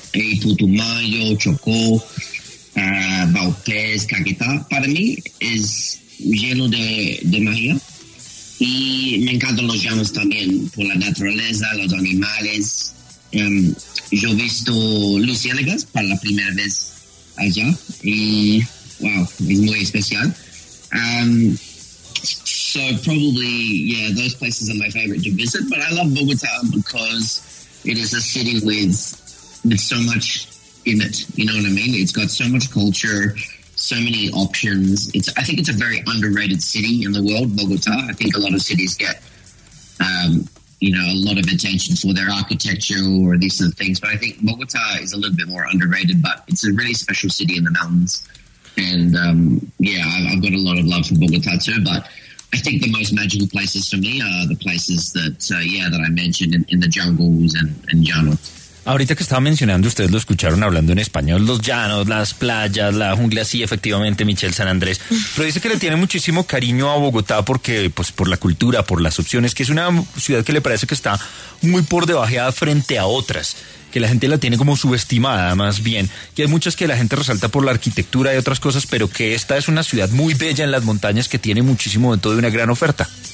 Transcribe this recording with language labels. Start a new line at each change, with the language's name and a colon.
Spanish: Y Putumayo, Chocó, Vaupés, Caquetá. Para mí es lleno de magia. Y me encantan los llanos también, por la naturaleza, los animales. Yo he visto luciérnagas para la primera vez allá. Y
English: wow, it's
Spanish: muy especial.
English: So probably, yeah, those places are my favorite to visit. But I love Bogota because It is a city with so much in it. You know what I mean? It's got so much culture, so many options. I think it's a very underrated city in the world, Bogota. I think a lot of cities get, a lot of attention for their architecture or these sort of things. But I think Bogota is a little bit more underrated, but it's a really special city in the mountains. And, I've got a lot of love for Bogota too, but I think the most magical places for me are the places that I mentioned in the jungles and llanos.
Spanish: Ahorita que estaba mencionando, ustedes lo escucharon hablando en español, los llanos, las playas, la jungla, sí, efectivamente, Michelle San Andrés. Pero dice que le tiene muchísimo cariño a Bogotá porque, pues, por la cultura, por las opciones, que es una ciudad que le parece que está muy por debajeada frente a otras, que la gente la tiene como subestimada, más bien, que hay muchas que la gente resalta por la arquitectura y otras cosas, pero que esta es una ciudad muy bella en las montañas que tiene muchísimo de todo y una gran oferta.